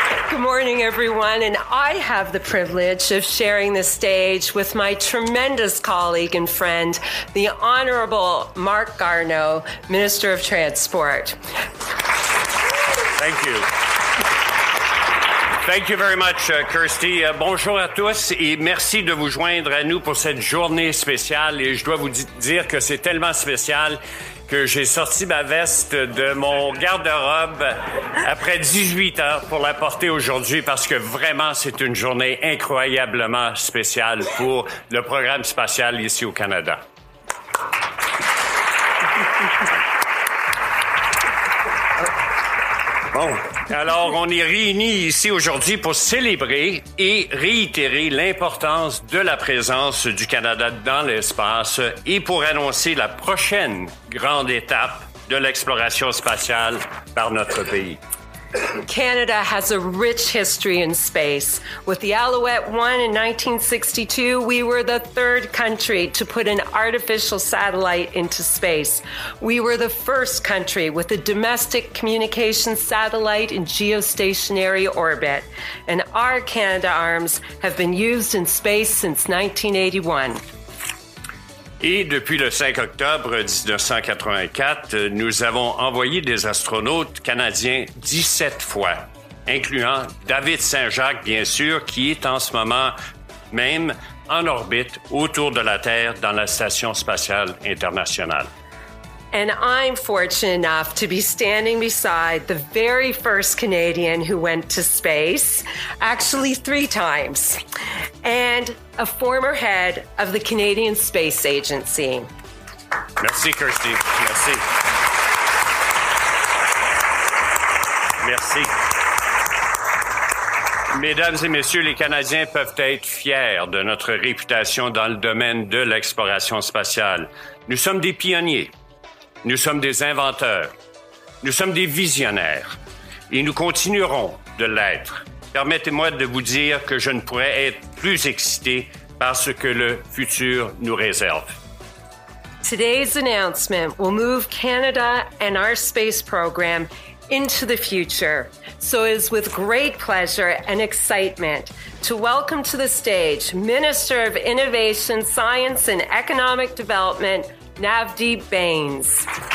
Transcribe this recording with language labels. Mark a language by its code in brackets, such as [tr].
[en] Good morning, everyone, and I have the privilege of sharing the stage with my tremendous colleague and friend, the Honorable Mark Garneau, Minister of Transport. Thank you. Thank you very much, Kirsty. [fr] Bonjour à tous et merci de vous joindre à nous pour cette journée spéciale. Et je dois vous dire que c'est tellement spécial que j'ai sorti ma veste de mon garde-robe après 18 heures pour la porter aujourd'hui parce que vraiment c'est une journée incroyablement spéciale pour le programme spatial ici au Canada. Bon. Alors, on est réunis ici aujourd'hui pour célébrer et réitérer l'importance de la présence du Canada dans l'espace et pour annoncer la prochaine grande étape de l'exploration spatiale par notre pays. [en] Canada has a rich history in space. With the Alouette 1 in 1962, we were the third country to put an artificial satellite into space. We were the first country with a domestic communications satellite in geostationary orbit. And our Canada arms have been used in space since 1981. [fr] Et depuis le 5 octobre 1984, nous avons envoyé des astronautes canadiens 17 fois, incluant David Saint-Jacques, bien sûr, qui est en ce moment même en orbite autour de la Terre dans la Station spatiale internationale. [en] And I'm fortunate enough to be standing beside the very first Canadian who went to space, actually three times, and a former head of the Canadian Space Agency. [fr] Merci, Kirsty. Merci. Merci. Mesdames et messieurs, les Canadiens peuvent être fiers de notre réputation dans le domaine de l'exploration spatiale. Nous sommes des pionniers. Nous sommes des inventeurs, nous sommes des visionnaires et nous continuerons de l'être. Permettez-moi de vous dire que je ne pourrais être plus excité par ce que le futur nous réserve. [en] Today's announcement will move Canada and our space program into the future. So it is with great pleasure and excitement to welcome to the stage Minister of Innovation, Science and Economic Development, Navdeep Baines.